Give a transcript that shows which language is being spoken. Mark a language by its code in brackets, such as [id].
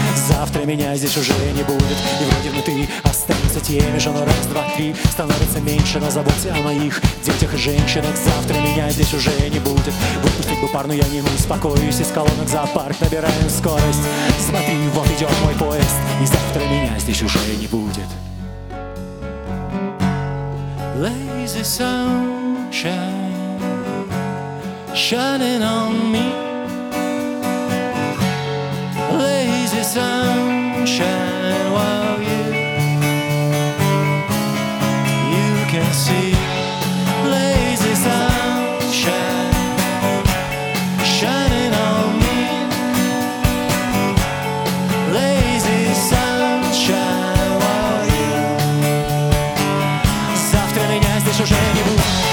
[ru] Завтра меня здесь уже не будет. И вроде внутри останется теми же, но раз, два, три становится меньше. На заботе о моих детях и женщинах. Завтра меня здесь уже не будет. Выпустить бы пар, но я не успокоюсь. Из колонок зоопарк набираем скорость. Смотри, вот идет мой поезд. И завтра меня здесь уже не будет. [en] Lazy sunshine shining on me. Lazy sunshine, while you can see. Lazy sunshine shining on me. Lazy sunshine, while you. [ru] Завтра меня здесь уже не будет.